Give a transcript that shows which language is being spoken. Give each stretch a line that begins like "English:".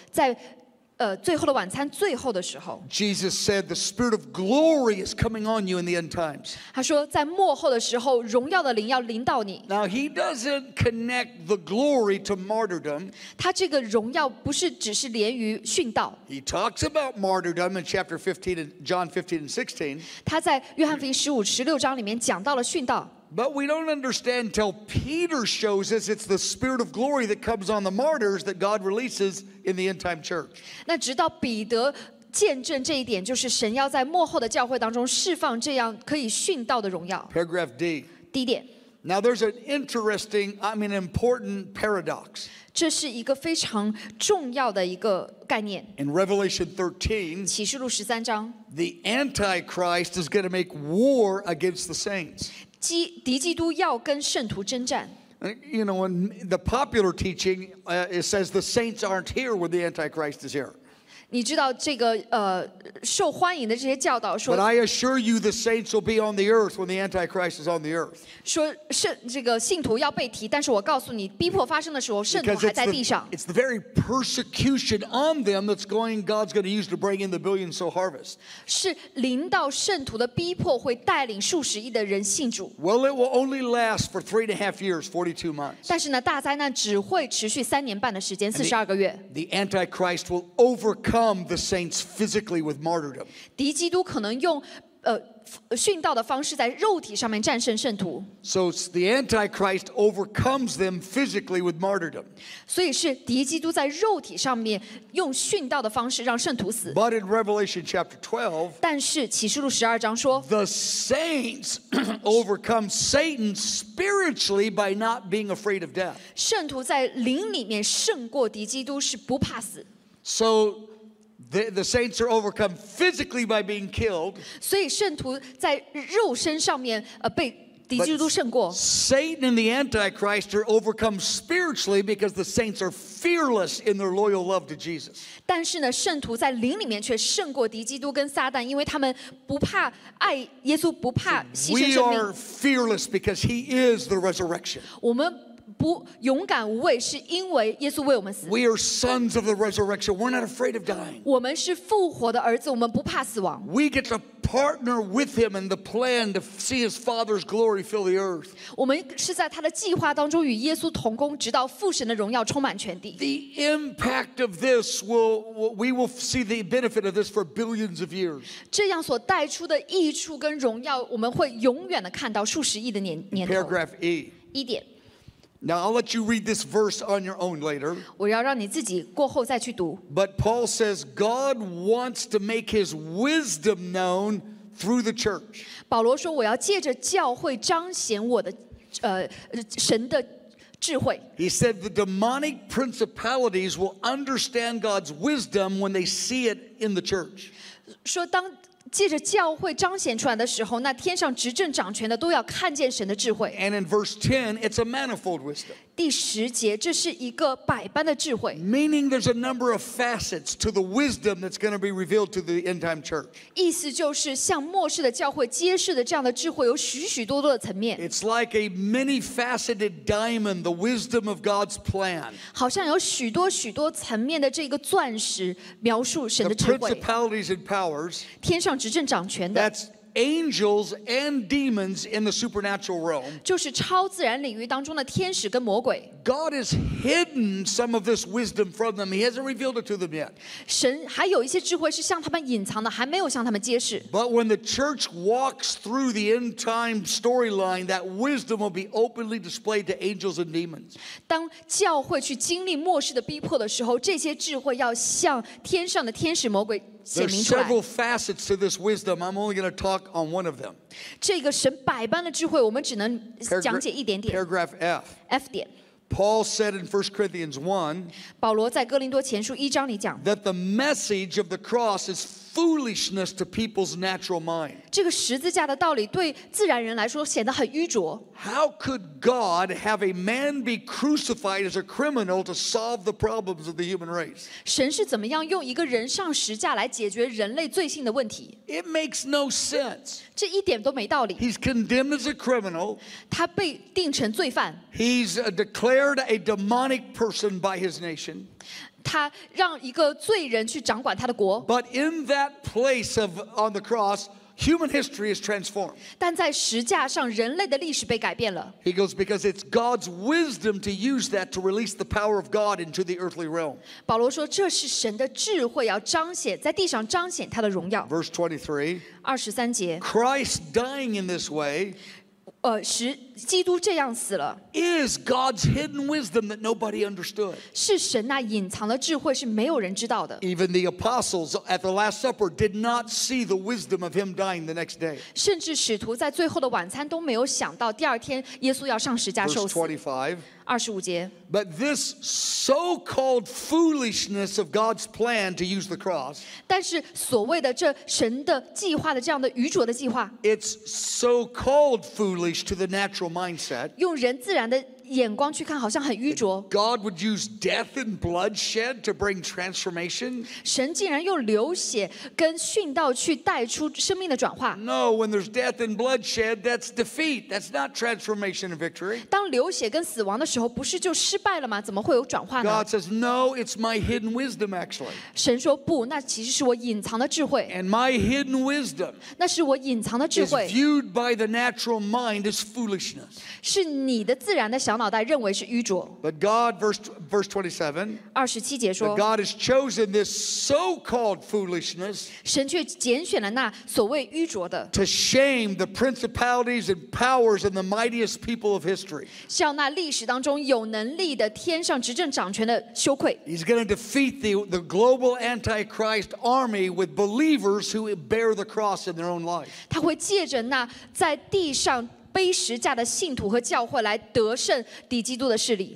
Chinese: 在最后的晚餐最后的时候
English: Jesus said the spirit of glory is coming on you in the end times
Chinese: 他说在末后的时候荣耀的灵要临到你
English: Now he doesn't connect the glory to martyrdom
Chinese: 他这个荣耀不是只是连于殉道
English: He talks about martyrdom in chapter 15 and John 15 and 16
Chinese: 他在约翰福音十五十六章里面讲到了殉道
English: But we don't understand until Peter shows us it's the spirit of glory that comes on the martyrs that God releases in the end time church.
Chinese: 那直到彼得见证这一点，就是神要在末后的教会当中释放这样可以殉道的荣耀。
English: Paragraph D.
Chinese: 第一点。
English: Now there's an interesting, I mean, important paradox.
Chinese: 这是一个非常重要的一个概念。
English: In Revelation 13,
Chinese: 启示录十三章
English: the Antichrist is going to make war against the saints.
Chinese: 敌基督要跟圣徒征战。
English: You know, when the popular teaching, it says the saints aren't here when the Antichrist is here.
Chinese: 你知道这个受欢迎的这些教导说。
English: But I assure you, the saints will be on the earth when the Antichrist is on the earth.
Chinese: 说这个信徒要被提，但是我告诉你，逼迫发生的时候，圣徒还在地上。
English: It's the very persecution on them that's going God's going to use to bring in the billion soul harvest.
Chinese: 是临到圣徒的逼迫会带领数十亿的人信主。
English: Well, it will only last for 3.5 years, 42 months.
Chinese: 但是呢，大灾难只会持续三年半的时间，四十二个月。
English: The Antichrist will overcome the saints physically with martyrdom.
Chinese: 敌基督可能用殉道的方式在肉体上面战胜圣徒。
English: So the Antichrist overcomes them physically with martyrdom.
Chinese: 所以是敌基督在肉体上面用殉道的方式让圣徒死。
English: But in Revelation chapter 12,
Chinese: 但是启示录十二章说
English: the saints overcome Satan spiritually by not being afraid of death.
Chinese: 圣徒在灵里面胜过敌基督是不怕死。
English: So,The saints are overcome physically by being killed.
Chinese: 所以圣徒在肉身上面被敌基督胜过。
English: Satan and the Antichrist are overcome spiritually because the saints are fearless in their loyal love to Jesus.
Chinese: 但是呢，圣徒在灵里面却胜过敌基督跟撒旦，因为他们不怕爱耶稣，不怕牺牲生命。
English: We are fearless because He is the resurrection.
Chinese: 我们不勇敢无畏，是因为耶稣为我们死。
English: We are sons of the resurrection. We're not afraid of dying.
Chinese: 我们是复活的儿子，我们不怕死亡。
English: We get to partner with him in the plan to see his Father's glory fill the earth.
Chinese: 我们是在他的计划当中与耶稣同工，直到父神的荣耀充满全地。
English: The impact of this we will see the benefit of this for billions of years.
Chinese: 这样所带出的益处跟荣耀，我们会永远的看到数十亿的年头。
English: Paragraph E.
Chinese: 一点。
English: Now I'll let you read this verse on your own later.
Chinese: 我要让你自己过后再去读。
English: But Paul says God wants to make His wisdom known through the church.
Chinese: 保罗说我要借着教会彰显我的神的智慧。
English: He said the demonic principalities will understand God's wisdom when they see it in the church.
Chinese: 说当借着教会彰显出来的时候，那天上执政掌权的都要看见神的智慧。
English: And in verse 10, it's a manifold wisdom.
Chinese: 第十节，这是一个百般的智慧。
English: Meaning there's a number of facets to the wisdom that's going to be revealed to the end time church.
Chinese: 意思就是向末世的教会揭示的这样的智慧有许许多多的层面。
English: It's like a many-faceted diamond, the wisdom of God's plan.
Chinese: 好像有许多许多层面的这个钻石描述神的智慧。
English: The principalities and powers.
Chinese: 天上执政掌权的。
English: That's angels and demons in the supernatural realm.
Chinese: 就是超自然领域当中的天使跟魔鬼。
English: God has hidden some of this wisdom from them. He hasn't revealed it to them yet.
Chinese: 神还有一些智慧是向他们隐藏的，还没有向他们揭示。
English: But when the church walks through the end time storyline, that wisdom will be openly displayed to angels and demons.
Chinese: 当教会去经历末世的逼迫的时候，这些智慧要向天上的天使魔鬼。
English: There's several facets to this wisdom. I'm only going to talk on one of them.
Chinese: 这个神百般的智慧，我们只能讲解一点点。
English: Paragraph F.
Chinese: F 点。
English: Paul said in 1 Corinthians 1.
Chinese: 保罗在哥林多前书一章里讲。
English: That the message of the cross is foolishness to people's natural mind.
Chinese: 这个十字架的道理对自然人来说显得很愚拙。
English: How could God have a man be crucified as a criminal to solve the problems of the human race?
Chinese: 神是怎么样用一个人上十字架来解决人类罪性的问题？
English: It makes no sense.
Chinese: 这一点都没道理。
English: He's condemned as a criminal.
Chinese: 他被定成罪犯。
English: He's declared a demonic person by his nation.
Chinese: 他让一个罪人去掌管他的国。
English: But in that place of on the cross, human history is transformed.
Chinese: 但在十架上，人类的历史被改变了。
English: He goes because it's God's wisdom to use that to release the power of God into the earthly realm.
Chinese: 保罗说，这是神的智慧要彰显在地上彰显他的荣耀。
English: Verse 23.
Chinese: 二十三节。
English: Christ dying in this way.
Chinese: 使基督这样死了
English: is God's hidden wisdom that nobody understood.
Chinese: 是神那隐藏的智慧是没有人知道的。
English: Even the apostles at the Last Supper did not see the wisdom of him dying the next day.
Chinese: 甚至使徒在最后的晚餐都没有想到第二天耶稣要上十字架受死。
English: Verse 25.
Chinese: 二十五节。
English: But this so-called foolishness of God's plan to use the cross.
Chinese: 但是所谓的这神的计划的这样的愚拙的计划。
English: It's so-called foolish to the natural mindset.
Chinese: 用人自然的眼光去看，好像很愚拙。
English: God would use death and bloodshed to bring transformation.
Chinese: 神竟然用流血跟殉道去带出生命的转化。
English: No, when there's death and bloodshed, that's defeat. That's not transformation and victory.
Chinese: 当流血跟死亡的时候，不是就失败了吗？怎么会有转化呢？
English: God says, No, it's my hidden wisdom, actually.
Chinese: 神说不，那其实是我隐藏的智慧。
English: And my hidden wisdom,
Chinese: 那是我隐藏的智慧。
English: Is viewed by the natural mind as foolishness.
Chinese: 是你的自然的想。
English: But God, verse 27, that God has chosen this so-called foolishness,
Chinese: 神却拣选了那所谓愚拙的
English: to shame the principalities and powers and the mightiest people of history.
Chinese: 向那历史当中有能力的天上执政掌权的羞愧
English: He's going to defeat the global antichrist army with believers who bear the cross in their own life.
Chinese: 他会借着那在地上背十架的信徒和教会来得胜敌基督的势力。